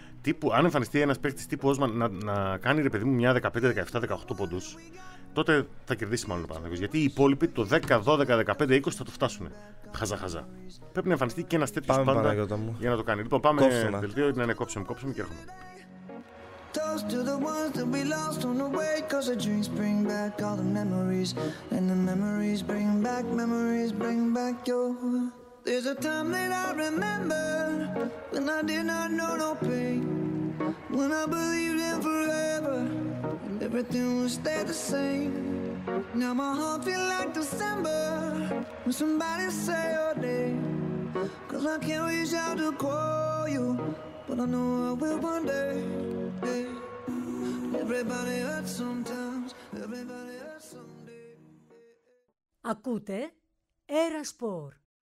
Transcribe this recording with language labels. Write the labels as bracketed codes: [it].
[el] Τύπου, αν εμφανιστεί ένας παίχτης τύπου Όσμαν να κάνει, ρε παιδί μου, μια 15, 17, 18 ποντούς, τότε θα κερδίσει μάλλον ο Παναθηναϊκός. Γιατί οι υπόλοιποι το 10, 12, 15, 20 θα το φτάσουν. Χαζά. Πρέπει να εμφανιστεί και ένας τέτοιος πάντα για να το κάνει. Λοιπόν, πάμε στο δελτίο, να είναι κόψουμε και έρχομαι. [en] Toast to the ones that we lost on the way, 'cause the drinks bring back all the memories, and the memories bring back your. There's a time that I remember when I did not know no pain, when I believed in forever and everything would stay the same. Now my heart feel like December when somebody say your name, 'cause I can't reach out to call you. But I know I will one day. Yeah. Everybody hurts sometimes. Everybody hurts someday. [el] Ακούτε Eraspor.